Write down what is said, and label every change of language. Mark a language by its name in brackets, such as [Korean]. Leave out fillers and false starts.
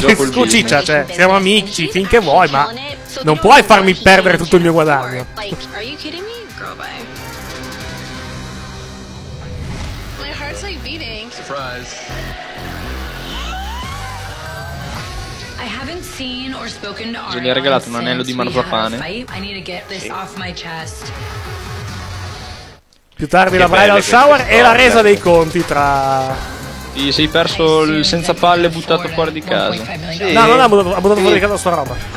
[Italian] scusiccia, cioè, siamo amici finché vuoi, ma non puoi farmi perdere tutto il mio guadagno. [English] Are you kidding me? Girl, bye. My heart's like beating. Surprise. I haven't seen or spoken to Arion. [Italian] Gli ha regalato un anello di marzapane. [English] I need to get this off my chest. [Italian] Più tardi la bridal shower e la resa dei conti tra... Ti sei perso il senza palle buttato fuori di casa. Sì. No, non ha buttato fuori di casa sua roba.